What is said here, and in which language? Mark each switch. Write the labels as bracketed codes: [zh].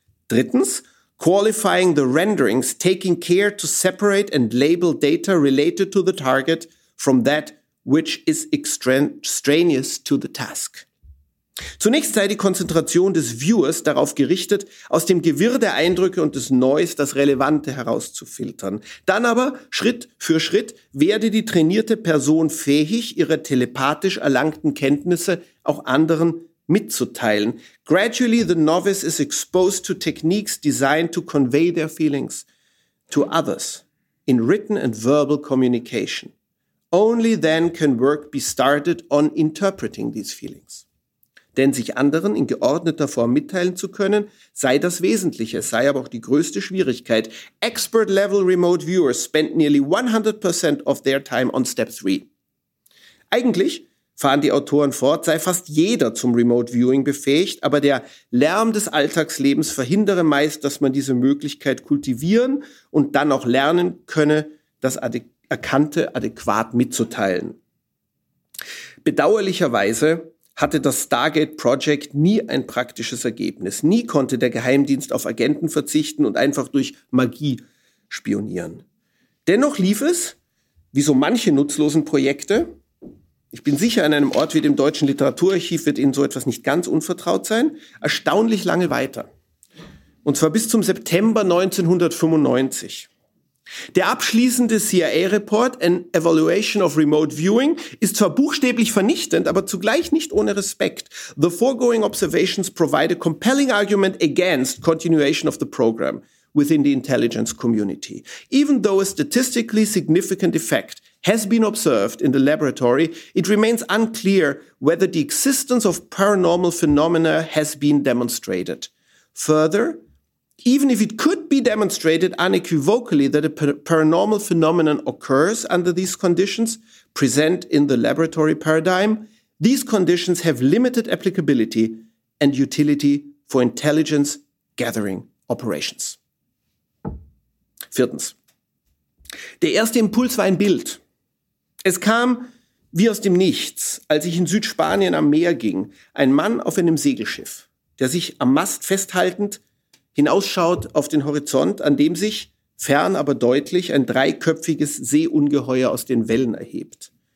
[de] Drittens, [en] qualifying the renderings, taking care to separate and label data related to the target from that which is extraneous to the task. [de] Zunächst sei die Konzentration des Viewers darauf gerichtet, aus dem Gewirr der Eindrücke und des Noise das Relevante herauszufiltern. Dann aber, Schritt für Schritt, werde die trainierte Person fähig, ihre telepathisch erlangten Kenntnisse auch anderen mitzuteilen. [en] Gradually the novice is exposed to techniques designed to convey their feelings to others in written and verbal communication. Only then can work be started on interpreting these feelings. [de] Denn sich anderen in geordneter Form mitteilen zu können, sei das Wesentliche, sei aber auch die größte Schwierigkeit. [en] Expert-level remote viewers spend nearly 100% of their time on step 3. [de] Eigentlich, fahren die Autoren fort, sei fast jeder zum Remote Viewing befähigt, aber der Lärm des Alltagslebens verhindere meist, dass man diese Möglichkeit kultivieren und dann auch lernen könne, das Erkannte adäquat mitzuteilen. Bedauerlicherweise hatte das Stargate Project nie ein praktisches Ergebnis. Nie konnte der Geheimdienst auf Agenten verzichten und einfach durch Magie spionieren. Dennoch lief es, wie so manche nutzlosen Projekte, ich bin sicher, an einem Ort wie dem Deutschen Literaturarchiv wird Ihnen so etwas nicht ganz unvertraut sein, erstaunlich lange weiter. Und zwar bis zum September 1995. Der abschließende CIA-Report, An Evaluation of Remote Viewing, ist zwar buchstäblich vernichtend, aber zugleich nicht ohne Respekt. [en] The foregoing observations provide a compelling argument against continuation of the program within the intelligence community. Even though a statistically significant effect has been observed in the laboratory, it remains unclear whether the existence of paranormal phenomena has been demonstrated. Further, even if it could be demonstrated unequivocally that a paranormal phenomenon occurs under these conditions present in the laboratory paradigm, these conditions have limited applicability and utility for intelligence gathering operations. [de] Viertens. Der erste Impuls war ein Bild. Es kam wie aus dem Nichts, als ich in Südspanien am Meer ging, ein Mann auf einem Segelschiff, der sich am Mast festhaltend hinausschaut auf den Horizont, an dem sich, fern aber deutlich, ein dreiköpfiges Seeungeheuer aus den Wellen erhebt.